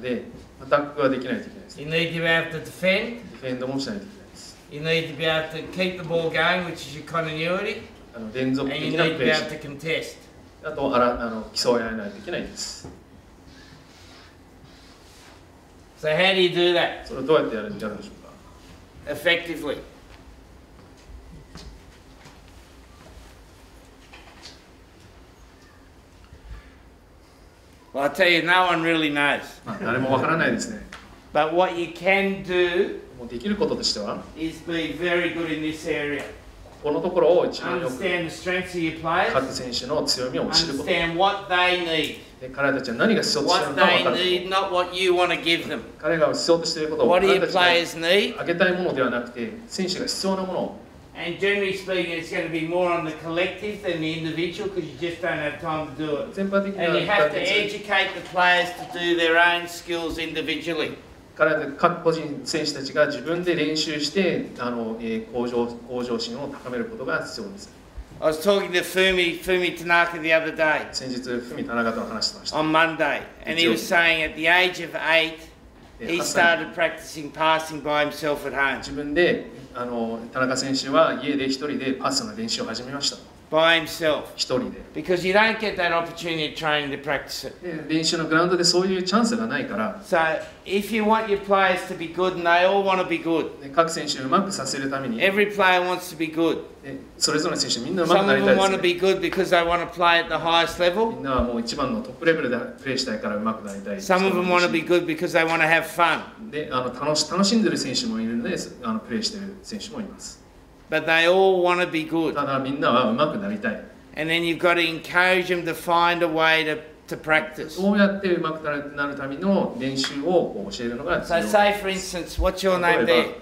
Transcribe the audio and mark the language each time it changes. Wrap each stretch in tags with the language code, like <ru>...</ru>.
<ja>で、アタックができないといけないです。</ja> <en>You need to be able to defend.</en> <ja>ディフェンドもしないといけないです。</ja> <en>You need to be able to keep the ball going, which is your continuity.</en> <ja>連続的なプレー。</ja> <en>And you need to be able to contest.</en> <ja>あと、競い合えないといけないです。</ja> <en>So how do you do that?</en> <ja>それをどうやってやるんでしょうか?</ja> <en>Effectively. Well, I'll tell you, no one really knows.</en> <ja>まあ誰もわからないですね。</ja> <en>But what you can do</en> <ja>もうできることとしては</ja> <en>is be very good in this area.</en> <ja>このところを一番よく</ja> <en>understand the strengths of your players.</en> <ja>各選手の強みを知ること。</ja> <en>Understand what they need.</en> <ja>彼たちは何が必要としているのか分かる。彼が必要としていることを彼たちがあげたいものではなくて、選手が必要なものを。</ja> <en>And generally speaking, it's going to be more on the collective than the individual because you just don't have time to do it.</en> <ja>全般的には</ja> <en>And you have to educate the players to do their own skills individually.</en> <ja>各個人選手たちが自分で練習して向上心を高めることが必要です。</ja> <en>I was talking to Fumi Tanaka the other day.</en> <ja>先日、フミ・タナカと話してました。</ja> <en>On Monday. And he was saying at the age of eight, he started practicing passing by himself at home.</en> <ja>自分で、田中選手は家で一人でパスの練習を始めました。</ja> <en>By himself.</en> <ja>一人で。</ja> <en>Because you don't get that opportunity of training to practice it.</en> <ja>練習のグラウンドでそういうチャンスがないから。</ja> <en>So, if you want your players to be good, and they all want to be good.</en> <ja>各選手をうまくさせるために。</ja> <en>Every player wants to be good.</en> <ja>それぞれの選手みんなうまくなりたいです。</ja> <en>Some of them want to be good because they want to play at the highest level.</en> <ja>みんなはもう一番のトップレベルでプレーしたいからうまくなりたい。</ja> <en>Some of them want to be good because they want to have fun.</en> <ja>で、楽しんでる選手もいるので、プレーしてる選手もいます。</ja> <en>But they all want to be good.</en> <ja>ただみんなは上手くなりたい。</ja> <en>And then you've got to encourage them to find a way to practice.</en> <ja>どうやって上手くなるための練習を教えるのが重要。</ja> <en>So say for instance, what's your name there?</en>